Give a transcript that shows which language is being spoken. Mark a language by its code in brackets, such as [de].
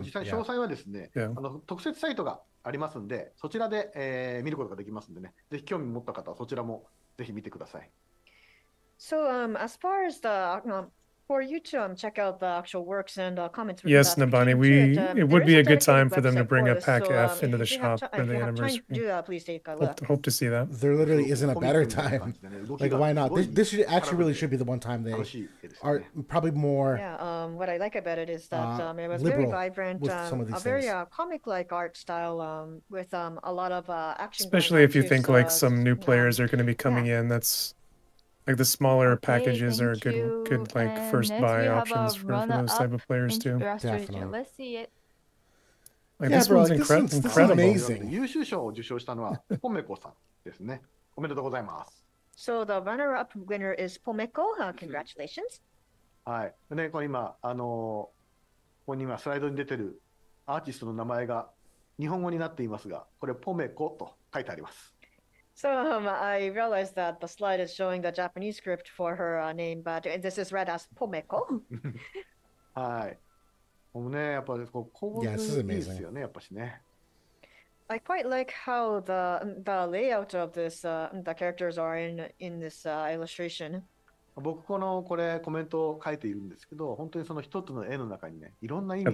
[ja] 実際詳細はですね、特設サイトがありますんで、そちらで見ることができますんでね。ぜひ興味持った方はそちらもぜひ見てください。 [en] So as far as the for you to check out the actual works and comments. Yes, Nabani, it would be a good time for them to bring a pack F into the shop for the anniversary. Hope to see that. There literally isn't a better time. Like, why not? This should be the one time they are probably more. Yeah. What I like about it is that it was very vibrant, a very comic-like art style, with a lot of action. Especially if you think like some new players are going to be coming in. That's like the smaller packages are good like and first buy options for those type of players too. Definitely. Let's see it. Like, yeah, this one's incredible. Amazing. [ja] 優秀賞を受賞したのはポメコさんですね。おめでとうございます。 [en] So the runner-up winner is Pomeko. Congratulations. [ja] はい。ね、これ今ここに今スライドに出てるアーティストの名前が日本語になっていますが、これポメコと書いてあります。 [en] So I realized that the slide is showing the Japanese script for her name, but this is read as Pomeko. Yeah, this is amazing. I quite like how the layout of this the characters are in this illustration. [ja] 僕このこれコメントを書いているんですけど、本当にその一つの絵の中にね、いろんな意味が。